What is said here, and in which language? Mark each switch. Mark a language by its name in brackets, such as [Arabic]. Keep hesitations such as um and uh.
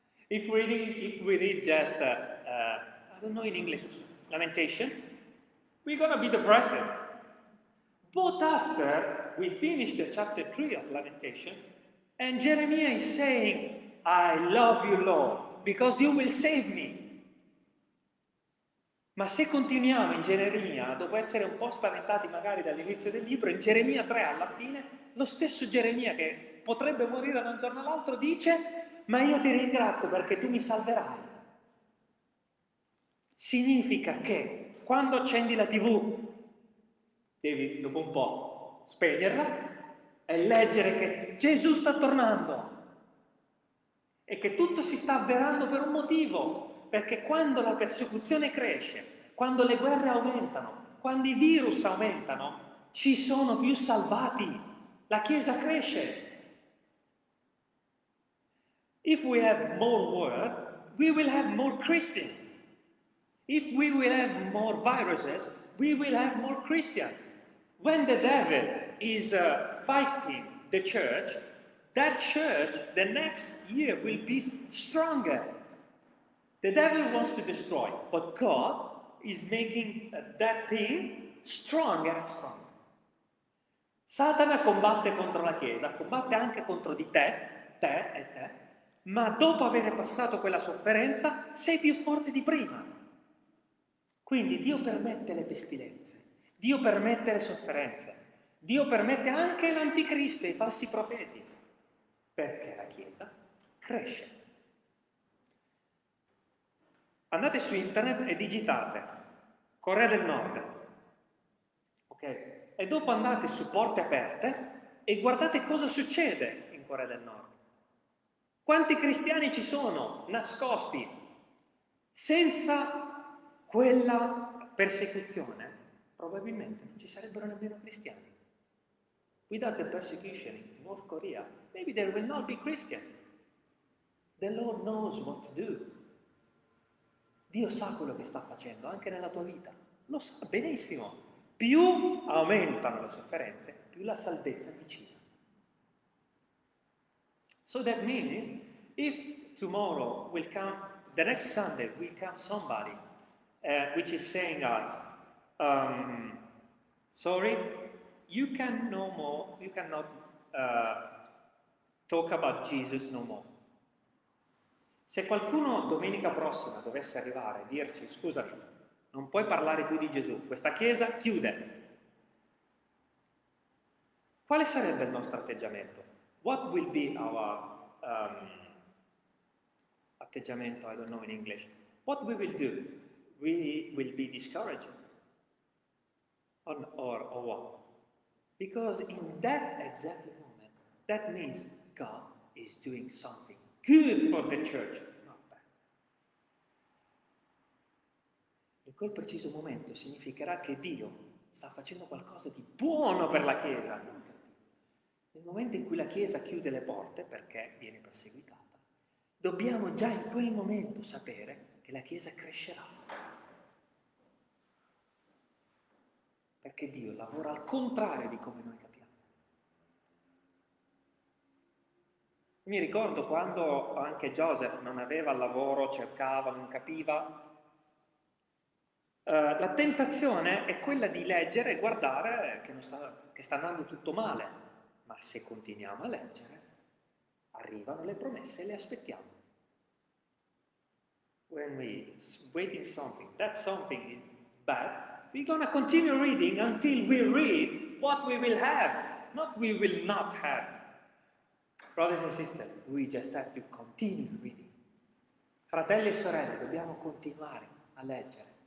[English] If we read, if we read just, uh, uh, I don't know in English, lamentation, we're gonna be depressed. But after we finish the chapter 3 of Lamentation, and Jeremiah is saying, I love you, Lord, because you will save me. [Italian] Ma se continuiamo in Geremia, dopo essere un po' spaventati magari dall'inizio del libro, in Geremia 3 alla fine, lo stesso Geremia che potrebbe morire da un giorno all'altro dice, ma io ti ringrazio perché tu mi salverai. Significa che quando accendi la tv devi dopo un po' spegnerla e leggere che Gesù sta tornando e che tutto si sta avverando per un motivo, perché quando la persecuzione cresce, quando le guerre aumentano, quando i virus aumentano, ci sono più salvati, la Chiesa cresce, [English] If we have more war, we will have more Christian. If we will have more viruses, we will have more Christian. When the devil is uh, fighting the church, that church the next year will be stronger. The devil wants to destroy, but God is making uh, that thing stronger and stronger. [Italian] Satana combatte contro la Chiesa, combatte anche contro di te, te e te, ma dopo aver passato quella sofferenza sei più forte di prima. Quindi Dio permette le pestilenze, Dio permette le sofferenze, Dio permette anche l'anticristo e i falsi profeti, perché la Chiesa cresce. Andate su internet e digitate Corea del Nord, ok? E dopo andate su porte aperte e guardate cosa succede in Corea del Nord. Quanti cristiani ci sono nascosti? Senza quella persecuzione probabilmente non ci sarebbero nemmeno cristiani. [English] Without the persecution in North Korea, maybe there will not be Christian. The Lord knows what to do. [Italian] Dio sa quello che sta facendo anche nella tua vita. Lo sa benissimo. Più aumentano le sofferenze, più la salvezza è vicina. [English] So that means if tomorrow will come, the next Sunday will come somebody uh, which is saying us, um, sorry, you can no more, you cannot uh, talk about Jesus no more. [Italian] Se qualcuno domenica prossima dovesse arrivare e dirci scusami, non puoi parlare più di Gesù, questa chiesa chiude, quale sarebbe il nostro atteggiamento? [English] What will be our um, atteggiamento? I don't know in English. What we will do? We will be discouraged. Or, or, or what? Because in that exact moment, that means God is doing something good for the church, not bad. [Italian] In quel preciso momento significherà che Dio sta facendo qualcosa di buono per la Chiesa, non cattivo. Nel momento in cui la Chiesa chiude le porte perché viene perseguitata, dobbiamo già in quel momento sapere che la Chiesa crescerà. Perché Dio lavora al contrario di come noi capiamo. Mi ricordo quando anche Joseph non aveva lavoro, cercava, non capiva. Eh, la tentazione è quella di leggere e guardare che, sta, che sta andando tutto male, ma se continuiamo a leggere arrivano le promesse e le aspettiamo. [English] When we waiting something, that something is bad, we're gonna continue reading until we read what we will have, not we will not have. Brothers and sisters, we just have to continue reading. [Italian] Fratelli e sorelle, dobbiamo continuare a leggere.